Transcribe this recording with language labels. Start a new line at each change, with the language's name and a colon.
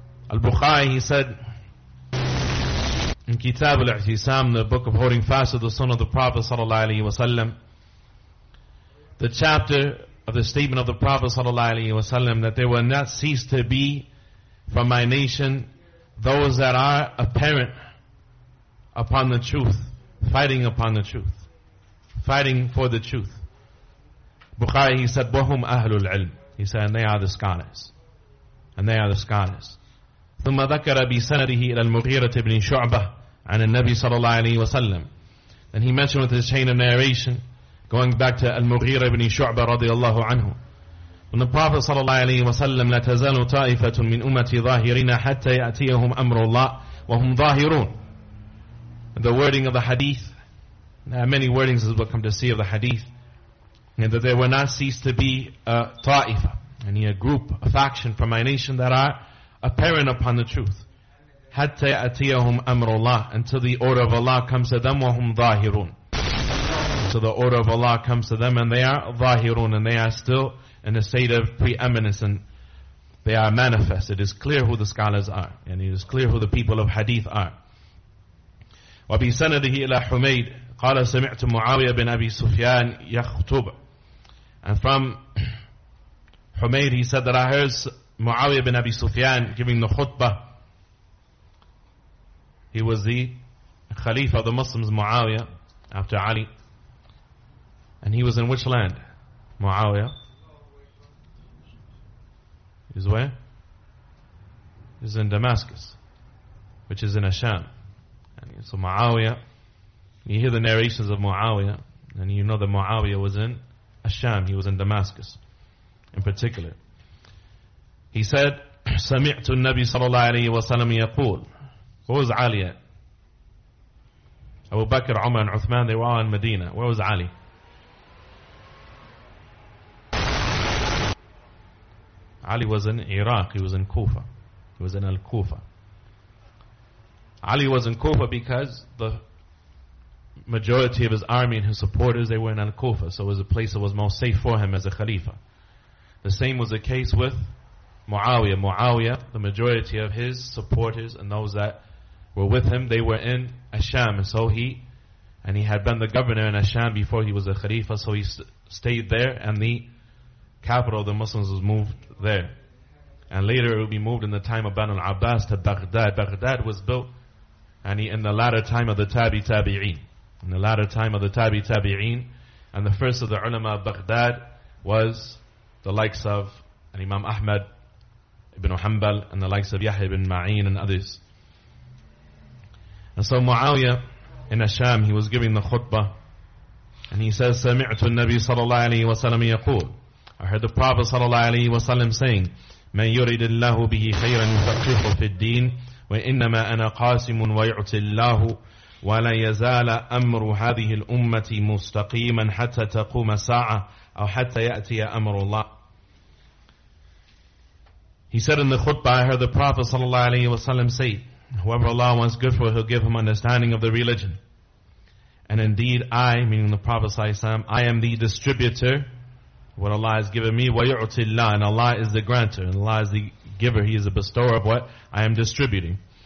English: Al-Bukhari, he said, in Kitab al-I'tisam, the book of holding fast to the Sunnah of the Prophet sallallahu alayhi wa sallam, the chapter of the statement of the Prophet sallallahu alayhi wa sallam, that there will not cease to be from my nation those that are apparent upon the truth, fighting upon the truth, fighting for the truth. Bukhari, he said, Bahum ahlul ilm. He said, and they are the scholars. And they are the scholars.
Arabic: ثم ذكر بسنده إلى المغيرة بن شعبة عن النبي صلى الله عليه وسلم.
English: Then he mentioned with his chain of narration, going back to المغيرة بن شعبة
Arabic: رضي الله عنه.
English: When the Prophet
Arabic: صلى الله عليه وسلم لا تزال طائفة من أمتي ظاهرين حتى يأتيهم أمر الله وهم ظاهرون.
English: The wording of the hadith, there are many wordings is what come to see of the hadith, and that there will not cease to be a طائفة, any a group, a faction from my nation that are apparent upon the truth.
Arabic: حتى يأتيهم أمر الله,
English: until the order of Allah comes to them,
Arabic: وهم ظاهرون.
English: So the order of Allah comes to them, and they are ظاهرون, and they are still in a state of preeminence, and they are manifest. It is clear who the scholars are, and it is clear who the people of hadith are.
Arabic: وبسنده إلى حميد قال سمعت معاوية بن أبي سفيان يخطب.
English: And from حميد, he said that I heard Muawiyah ibn Abi Sufyan giving the khutbah. He was the Khalifa of the Muslims, Muawiyah, after Ali. And he was in which land? Muawiyah. He's where? He's in Damascus, which is in Asham. And so Muawiyah, you hear the narrations of Muawiyah, and you know that Muawiyah was in Asham. He was in Damascus in particular. He said,
Arabic: سمعت النبي صلى الله عليه وسلم يقول.
English: Where was Ali at? Abu Bakr, Umar, and Uthman, they were all in Medina. Where was Ali? Ali was in Iraq. He was in Kufa. He was in Al-Kufa. Ali was in Kufa because the majority of his army and his supporters, they were in Al-Kufa. So it was a place that was most safe for him as a Khalifa. The same was the case with Muawiyah, the majority of his supporters and those that were with him, they were in Asham. And so he had been the governor in Asham before he was a Khalifa, so he stayed there, and the capital of the Muslims was moved there. And later it would be moved in the time of Banu al-Abbas to Baghdad. Baghdad was built in the latter time of the Tabi'een. In the latter time of the Tabi'een, and the first of the ulama of Baghdad was the likes of Imam Ahmad ibn Hanbal and the likes of Yahya ibn Ma'in and others. And so Muawiyah in Asham, he was giving the khutbah, and he says,
Arabic: سَمِعْتُ النَّبِي صَلَى اللَّهِ عَلَيْهِ وَسَلَمِ يَقُولُ.
English: I heard the Prophet
Arabic: صلى الله عليه وسلم saying, مَنْ يُرِدِ اللَّهُ بِهِ خَيْرًا يُفَقِّهُ فِي الدِّينِ وَإِنَّمَا أَنَا قَاسِمٌ وَيُعْتِ اللَّهُ وَلَا يَزَالَ أَمْرُ هَذِهِ الْأُمَّةِ مُسْتَقِيمًا حَتَّى تَقُومَ سَاعَةً أَوْ حَتَّى يَأْتِيَ أَمْرُ اللَّهِ.
English: He said in the khutbah, I heard the Prophet sallallahu alaihi wasallam say, whoever Allah wants good for, He'll give him understanding of the religion. And indeed I, meaning the Prophet sallallahu alaihi wasallam, I am the distributor what Allah has given me,
Arabic: وَيُعْتِ اللَّهِ,
English: and Allah is the grantor, and Allah is the giver, He is the bestower of what I am distributing.